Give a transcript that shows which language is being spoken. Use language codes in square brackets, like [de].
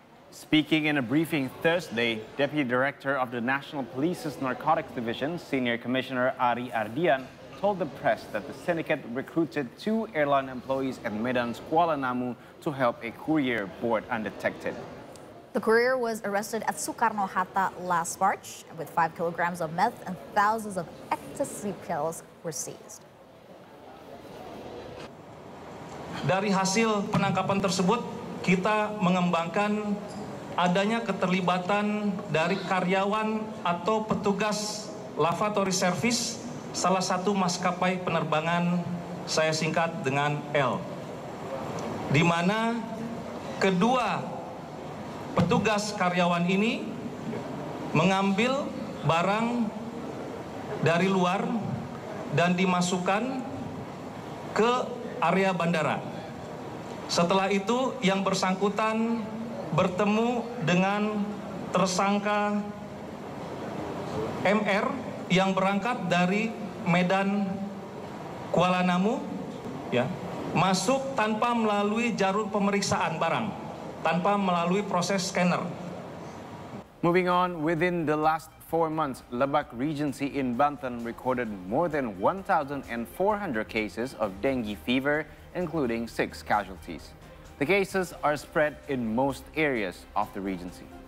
[en] Speaking in a briefing Thursday, Deputy Director of the National Police's Narcotics Division, Senior Commissioner Ari Ardian, told the press that the syndicate recruited two airline employees at Medan's Kuala Namu to help a courier board undetected. The courier was arrested at Soekarno-Hatta last March with 5 kilograms of meth and thousands of ecstasy pills were seized. [id] Dari hasil penangkapan tersebut, kita mengembangkan adanya keterlibatan dari karyawan atau petugas lavatory service salah satu maskapai penerbangan, saya singkat dengan L, di mana kedua petugas karyawan ini mengambil barang dari luar dan dimasukkan ke area bandara. Setelah itu yang bersangkutan bertemu dengan tersangka MR yang berangkat dari Medan Kuala Namu, ya, masuk tanpa melalui jalur pemeriksaan barang. Tanpa melalui proses scanner. [en] Moving on, within the last 4 months, Lebak Regency in Banten recorded more than 1,400 cases of dengue fever, including 6 casualties. The cases are spread in most areas of the Regency.